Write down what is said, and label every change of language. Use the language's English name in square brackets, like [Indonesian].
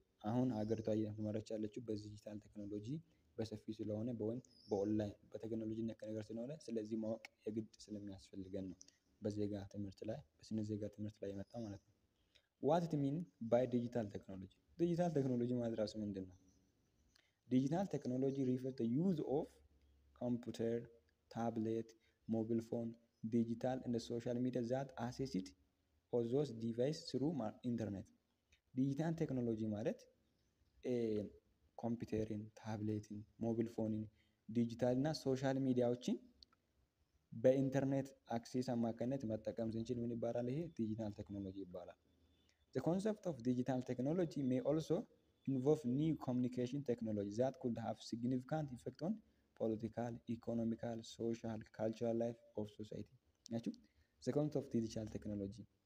[Amharic] አሁን አገሪቷ እየተመረች ያለችው በዲጂታል ቴክኖሎጂ በሰፊ ስለሆነ ወይም በኦንላይን በቴክኖሎጂ ነክ ነገር ስለሆነ ስለዚህ ማወቅ የግድ ስለሚያስፈልገን ነው በዜጋ ትምህርት ላይ በስነ ዜጋ ትምህርት ላይ የመጣው ማለት ነው። [English] what it mean by digital technology [Amharic] ዲጂታል ቴክኖሎጂ ማለት ራሱ ምንድን ነው? [English] Digital technology refers to the use of computer, tablet, mobile phone, digital and social media that access it or those devices through internet. [Amharic] Digital technology ማለት computerን, tabletን, mobile phoneን, digital እና social mediaዎችን በኢንተርኔት access አማካኝነት መጠቀም ስንችል ምን ይባላል? ይሄ digital technology ይባላል። [English] The concept of digital technology may also involve new communication technologies that could have significant effect on political, economical, social, cultural life of society. Yachu? The concept of digital technology.